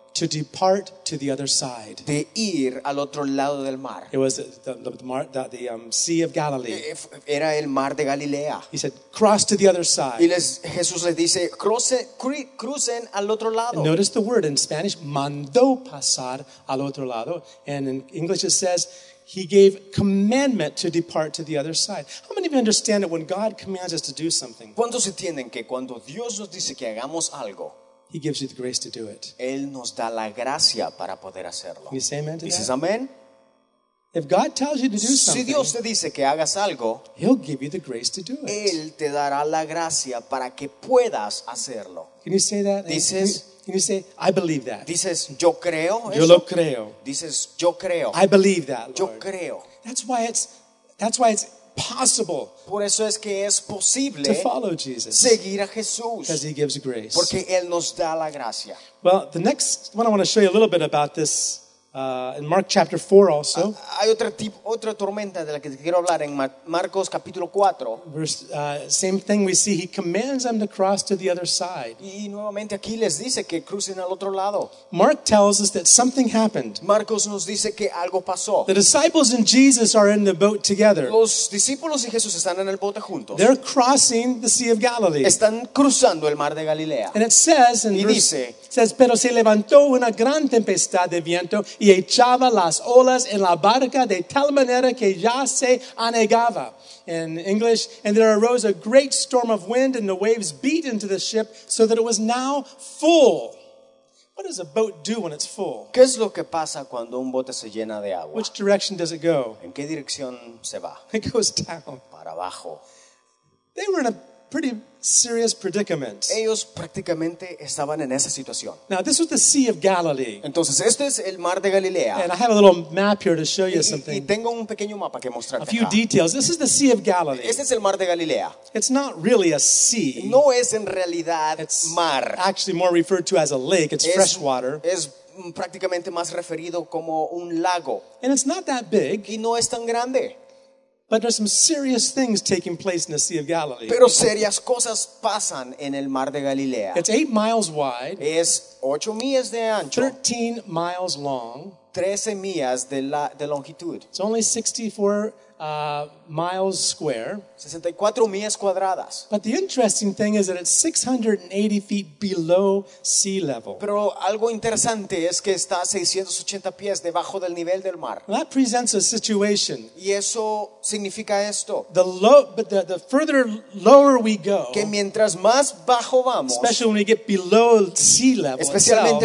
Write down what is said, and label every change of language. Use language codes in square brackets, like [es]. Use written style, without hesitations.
[en] to depart to the other side. [es] De ir al otro lado del mar. [en] It was the Sea of Galilee. [es] Era el mar de Galilea. [en] He said, cross to the other side. [es] Y Jesús les dice, crucen al otro lado. [en] And notice the word in Spanish, [es] mandó pasar al otro lado. [en] And in English it says, he gave commandment to depart to the other side. How many of you understand that when God commands us to do something, [es] ¿cuántos entienden que cuando Dios nos dice que hagamos algo, [en] he gives you the grace to do it? [es] Él nos da la gracia para poder hacerlo. [en] You say amen to [es] dices, [en] that? Amen? If God tells you to do something, [es] si Dios te dice que hagas algo, [en] he'll give you the grace to do it. [es] Él te dará la gracia para que puedas hacerlo. [en] Can you say that? [es] Dices, [en] can you say, I believe that? [es] Dices, yo creo eso. Yo lo creo. Dices, yo creo. [en] I believe that, Lord. [es] Yo creo. [en] That's why it's possible. [es] Por eso es que es posible [en] to follow Jesus. [es] Seguir a Jesús. [en] Because he gives grace. [es] Porque él nos da la gracia. [en] Well, the next one I want to show you a little bit about this in Mark chapter 4 also. [es] Hay otra tormenta de la que quiero hablar en Marcos capítulo 4. [en] Same thing we see. He commands them to cross to the other side. [es] Y nuevamente aquí les dice que crucen al otro lado. [en] Mark tells us that something happened. [es] Marcos nos dice que algo pasó. [en] The disciples and Jesus are in the boat together. [es] Los discípulos y Jesús están en el bote juntos. [en] They're crossing the Sea of Galilee. [es] Están cruzando el mar de Galilea. [en] And it says, and [es] y dice, says, pero se levantó una gran tempestad de viento y echaba las olas en la barca de tal manera que ya se anegaba. [en] In English, and there arose a great storm of wind and the waves beat into the ship so that it was now full. What does a boat do when it's full? [es] ¿Qué es lo que pasa cuando un bote se llena de agua? [en] Which direction does it go? [es] ¿En qué dirección se va? [en] It goes down. [es] Para abajo. [en] They were in a pretty serious predicament. [es] Ellos prácticamente estaban en esa situación. [en] Now this was the Sea of Galilee. [es] Entonces este es el mar de Galilea. [en] And I have a little map here to show you something. [es] Y tengo un pequeño mapa que mostrarte. [en] A few details. This is the Sea of Galilee. [es] Este es el mar de Galilea. [en] It's not really a sea. [es] No es en realidad [en] it's [es] mar. [en] It's actually more referred to as a lake. It's fresh water. [es] Es prácticamente más referido como un lago. [en] And it's not that big. [es] Y no es tan grande. [en] But there's some serious things taking place in the Sea of Galilee. [es] Pero serias cosas pasan en el mar de Galilea. [en] It's 8 miles wide. [es] Es 8 millas de ancho. [en] 13 miles long. [es] 13 millas de longitud. [en] It's only 64 miles square. [es] 64 millas cuadradas. [en] But the interesting thing is that it's 680 feet below sea level. [es] Pero algo interesante es que está 680 pies debajo del nivel del mar. [en] That presents a situation. [es] Y eso significa esto. [en] The further lower we go, [es] que mientras más bajo vamos, [en] especially when we get below sea level, [es] especialmente